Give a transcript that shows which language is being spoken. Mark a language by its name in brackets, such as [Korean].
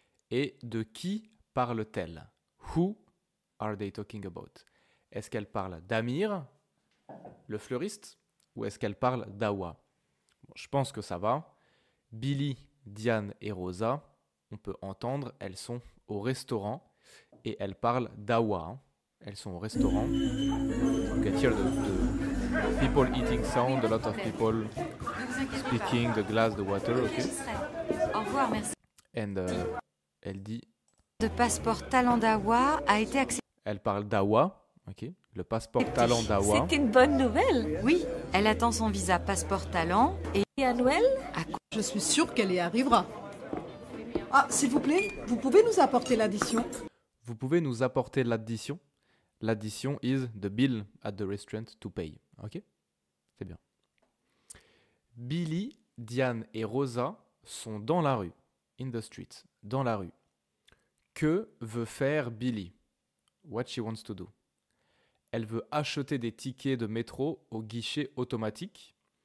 [French] Et de qui parlent-elles? [English] Who are they talking about? [French] Est-ce qu'elles parlent d'Amir, le fleuriste, ou est-ce qu'elles parlent d'Awa? Bon, je pense que ça va. Billy, Diane et Rosa, on peut entendre, elles sont au restaurant et elles parlent d'Awa. Elles sont au restaurant. [English] Donc, I hear the people eating sound, a lot of people speaking, the glass, the water. Okay. [French] Au revoir, merci. And elle dit... Le passeport talent d'Awa a été accepté. Elle parle d'Awa. Ok, le passeport talent d'Awa. C'est une bonne nouvelle. Oui, elle attend son visa passeport talent. Et à Noël? Je suis sûre qu'elle y arrivera. Ah, s'il vous plaît, vous pouvez nous apporter l'addition? Vous pouvez nous apporter l'addition? [English] L'addition is the bill at the restaurant to pay. [French] Ok, c'est bien. Billy, Diane et Rosa sont dans la rue. [English] In the street, [French] dans la rue. Que veut faire Billy? [English] What she wants to do? [French] Elle veut acheter des tickets de métro au guichet automatique.